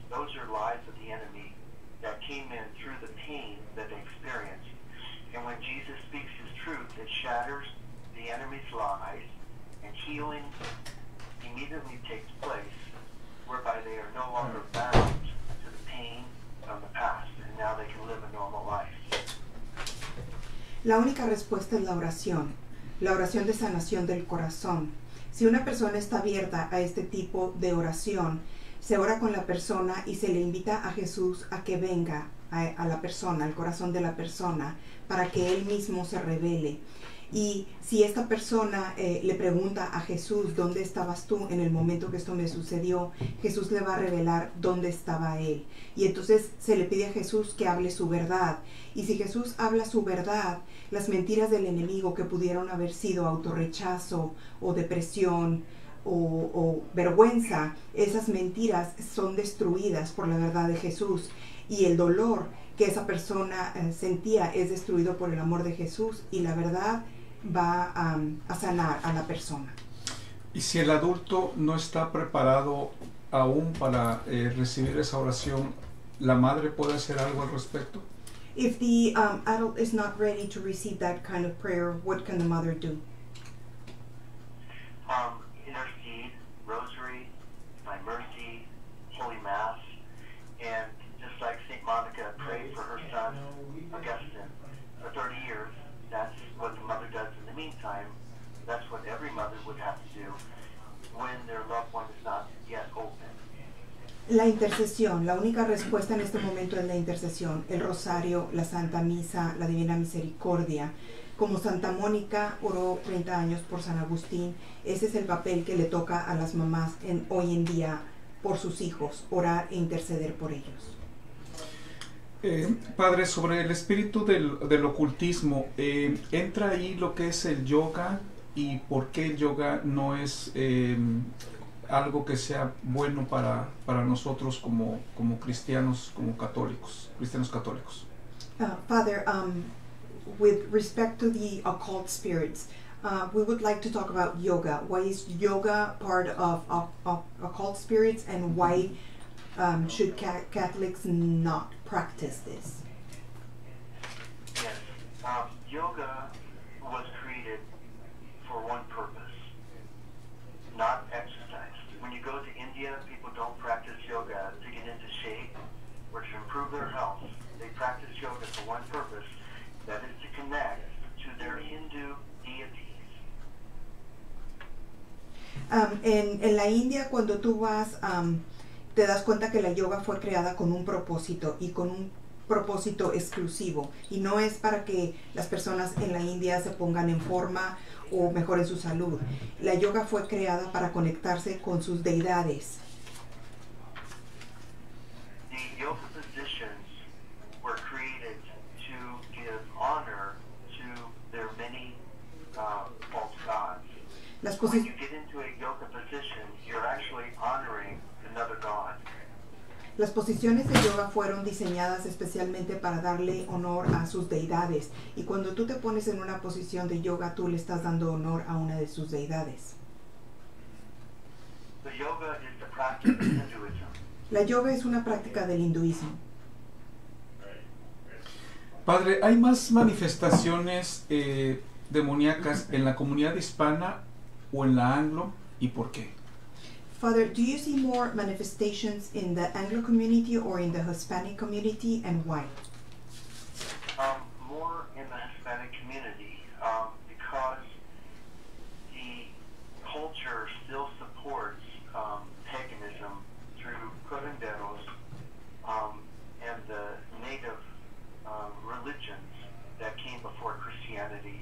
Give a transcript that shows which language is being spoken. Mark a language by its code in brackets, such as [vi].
[en] Those are lies of the enemy that came in through the pain that they experienced. And when Jesus speaks his truth, it shatters the enemy's lies, and healing immediately takes place, whereby they are no longer bound to the pain of the past, and now they can live a normal life. [es] La única respuesta es la oración de sanación del corazón. Si una persona está abierta a este tipo de oración, se ora con la persona y se le invita a Jesús a que venga a la persona, al corazón de la persona, para que él mismo se revele. Y si esta persona le pregunta a Jesús, ¿dónde estabas tú en el momento que esto me sucedió? Jesús le va a revelar dónde estaba él. Y entonces se le pide a Jesús que hable su verdad. Y si Jesús habla su verdad, las mentiras del enemigo que pudieron haber sido autorrechazo o depresión o vergüenza, esas mentiras son destruidas por la verdad de Jesús. Y el dolor que esa persona sentía es destruido por el amor de Jesús, y la verdad va a sanar a la persona. Y si el adulto no está preparado aún para recibir esa oración, ¿la madre puede hacer algo al respecto? [en] If the adult is not ready to receive that kind of prayer, what can the mother do? Intercede, rosary, by mercy, holy mass, and just like St. Monica prayed for her son, Augustine, for 30 years, that's what the mother does in the meantime. That's what every mother would have to do when their loved one is not yet open. [es] La intercesión, la única respuesta en este momento es la intercesión, el rosario, la Santa Misa, la Divina Misericordia. Como Santa Mónica oró 30 años por San Agustín, ese es el papel que le toca a las mamás hoy en día por sus hijos, orar e interceder por ellos. Padre, sobre el espíritu del ocultismo, ¿entra ahí lo que es el yoga y por qué el yoga no es algo que sea bueno para nosotros como cristianos, como católicos, cristianos católicos? [en] Father, with respect to the occult spirits, we would like to talk about yoga. Why is yoga part of occult spirits, and why should Catholics not practice this? Yes, yoga was created for one purpose, not exercise. When you go to India, people don't practice yoga to get into shape or to improve their health. They practice yoga for one purpose, that is to connect to their Hindu deities. [es] En la India, cuando tú vas, te das cuenta que la yoga fue creada con un propósito, y con un propósito exclusivo, y no es para que las personas en la India se pongan en forma o mejoren su salud. La yoga fue creada para conectarse con sus deidades. [en] The yoga positions were created to give honor to their many false gods. When you get into a yoga position, you're actually honoring another god. [es] Las posiciones de yoga fueron diseñadas especialmente para darle honor a sus deidades. Y cuando tú te pones en una posición de yoga, tú le estás dando honor a una de sus deidades. [en] The yoga is the practice of Hinduism. [es] La yoga es una práctica del hinduismo. Padre, ¿hay más manifestaciones demoníacas en la comunidad hispana o en la anglo, y por qué? [en] Father, do you see more manifestations in the Anglo community or in the Hispanic community, and why? More in the Hispanic community, because the culture still supports paganism through curanderos and the native religions that came before Christianity.